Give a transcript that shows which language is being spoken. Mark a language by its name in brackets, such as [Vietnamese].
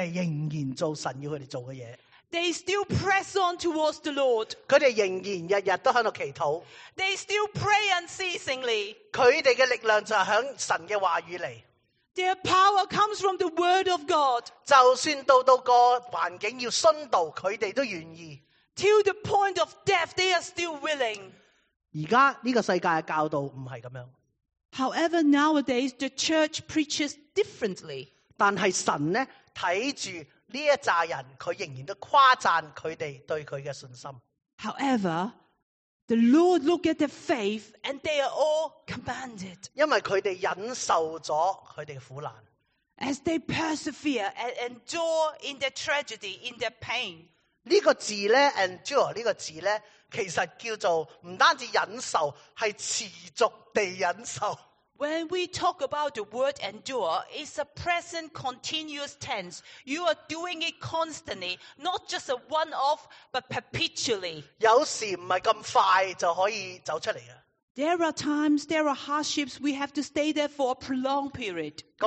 [Chinese] 他们仍然做神要他们做的事, [English] they still press on towards the Lord. [Chinese] 他们仍然日日都在祈祷, [English] they still pray unceasingly. [Chinese] 他们的力量就在神的话语里, [English] their power comes from the word of God. [Chinese] 就算到环境要殉道, 他们都愿意, [English] till the point of death, they are still willing. [Chinese] 现在这个世界的教导不是这样。 [English] However, nowadays, the church preaches differently. [Chinese] 但是神呢, 看着这一群人, 他仍然都夸赞他们对他的信心。 [English] However, the Lord look at their faith, and they are all commanded. [Chinese] 因为他们忍受了他们的苦难。 [English] As they persevere and endure in their tragedy, in their pain. [Chinese] 这个字呢, endure, 这个字呢, 其实叫做不单止忍受, 是持续地忍受。 [English] When we talk about the word endure, it's a present continuous tense. You are doing it constantly, not just a one-off, but perpetually. [Chinese] 有时不是那么快就可以走出来的。 [English] There are times, there are hardships, we have to stay there for a prolonged period.